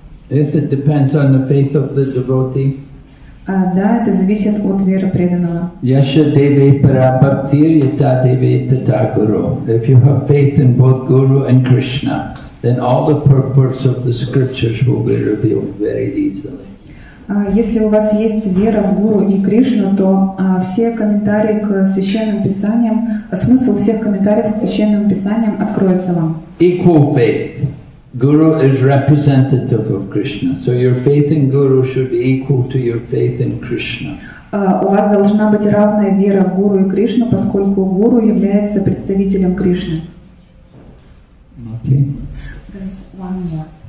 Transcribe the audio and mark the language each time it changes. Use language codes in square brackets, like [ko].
[en] This it depends on the faith of the devotee. [ru] Да, это зависит от веры преданного. [sa] Yasha devi para bhaktir yata devi tata guru. [en] If you have faith in both Guru and Krishna, then all the purports of the scriptures will be revealed very easily. [ru] Если у вас есть вера в Гуру и Кришну, то все комментарии к священным писаниям, смысл всех комментариев к священным писаниям откроется вам. [en] Equal faith. Guru is representative of Krishna, so your faith in Guru should be equal to your faith in Krishna. [ru] У вас должна быть равная вера в Гуру и Кришну, поскольку Гуру является представителем Кришны. [en] Okay. There's one more.